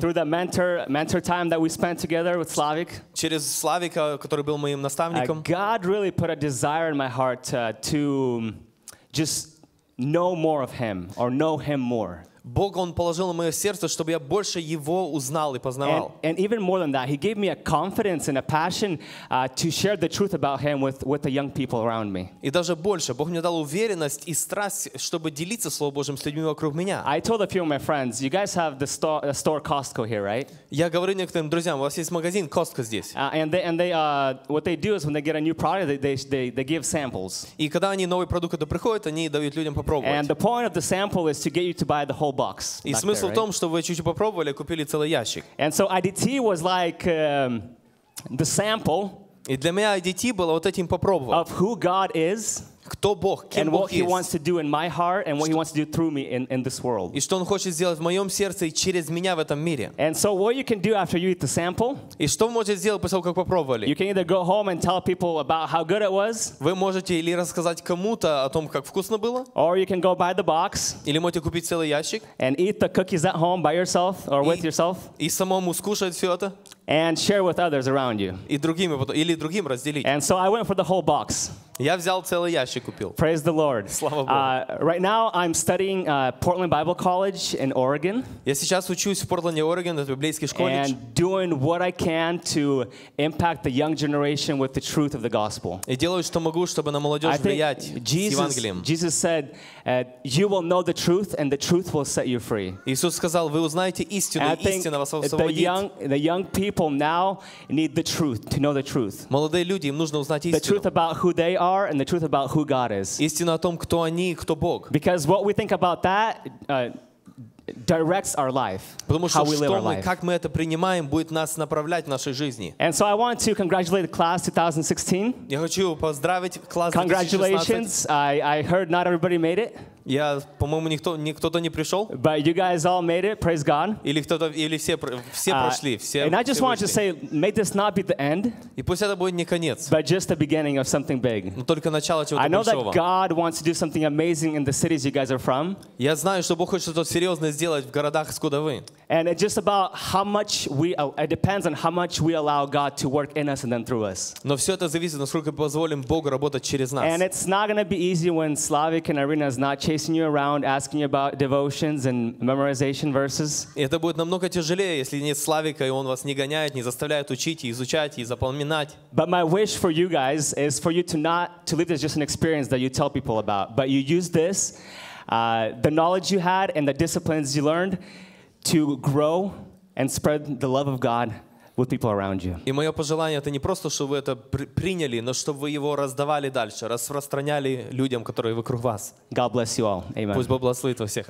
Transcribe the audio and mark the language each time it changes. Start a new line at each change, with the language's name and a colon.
English: through the mentor time that we spent together with Slavik,
Russian: через Славика, который был моим наставником,
English: God really put a desire in my heart to just know more of Him or know Him more.
Russian: Бог он положил на мое сердце, чтобы я больше его узнал и познавал.
English: And even more than that, He gave me a confidence and a passion to share the truth about Him with the young people around me.
Russian: И даже больше, Бог мне дал уверенность и страсть, чтобы делиться Словом Божьим с людьми вокруг меня.
English: I told a few of my friends, you guys have the store Costco here, right?
Russian: Я говорю некоторым друзьям, у вас есть магазин Costco здесь.
English: What they do is when they get a new product, they give samples.
Russian: И когда они новый продукт это приходят, они дают людям попробовать.
English: And the point of the sample is to get you to buy the whole box.
Russian: И смысл в том, что вы чуть-чуть попробовали, купили целый ящик.
English: And so IDT was like the sample.
Russian: И для меня IDT было вот этим попробовать.
English: Of who God is.
Russian: Кто Бог, кем Бог есть.
English: And what He wants to do in my heart and what He wants to do through me in this world.
Russian: И что Он хочет сделать в моем сердце и через меня в этом мире.
English: And so what you can do after you eat the sample?
Russian: И что вы можете сделать после того, как попробовали?
English: You can either go home and tell people about how good it was.
Russian: Вы можете или рассказать кому-то о том, как вкусно было.
English: Or you can go buy the box.
Russian: Или можете купить целый ящик.
English: And eat the cookies at home by yourself or with yourself.
Russian: И самому скушать все это.
English: And share with others around you.
Russian: И другим или другим разделить.
English: And so I went for the whole box.
Russian: Я взял целый ящик, купил.
English: Praise the Lord.
Russian: Слава Богу.
English: Right now I'm studying Portland Bible College in Oregon.
Russian: Я сейчас учусь в Портленде, Орегон, в библейской школе.
English: And doing what I can to impact the young generation with the truth of the gospel.
Russian: И делаю, что могу, чтобы на молодежь влиять с Евангелием.
English: Jesus said, "You will know the truth, and the truth will set you free."
Russian: Иисус сказал, вы узнаете истину, и истина вас освободит.
English: The young people now need the truth to know the truth.
Russian: Молодые люди, им нужно узнать истину.
English: The truth about who they are and the truth about who God is.
Russian: Истина о том, кто они, кто Бог.
English: Because what we think about that directs our life,
Russian: потому
English: how we live our
Russian: мы,
English: life.
Russian: Как мы это принимаем, будет нас направлять в нашей жизни.
English: And so I want to congratulate class 2016.
Russian: Я хочу поздравить класс.
English: Congratulations! I heard not everybody made it.
Russian: Я, по-моему, никто-то не пришел.
English: But you guys all made it. Praise God.
Russian: Или кто-то, или все прошли. Все,
English: and I just want to say, may this not be the end.
Russian: И пусть это будет не конец.
English: But just the beginning of something big.
Russian: Но только начало чего-то большого.
English: I know that God wants to do something amazing in the cities you guys are from.
Russian: Я знаю, что Бог хочет что-то серьезное сделать в городах, откуда вы.
English: And it's just about how much it depends on how much we allow God to work in us and then through us.
Russian: Но все это зависит, насколько мы позволим Богу работать через нас.
English: And it's not going to be easy when Slavik and Irina is not chasing you around asking you about devotions and memorization verses.
Russian: Это будет намного тяжелее, если нет Славика, и он вас не гоняет, не заставляет учить и изучать и запоминать.
English: But my wish for you guys is for you to not to leave this just an experience that you tell people about, but you use this the knowledge you had and the disciplines you learned to grow and spread the love of God with people around you.
Russian: И мое пожелание это не просто чтобы вы это приняли, но чтобы вы его раздавали дальше, распространяли людям, которые вокруг вас.
English: God bless you all. Amen.
Russian: Пусть Бог благословит вас всех.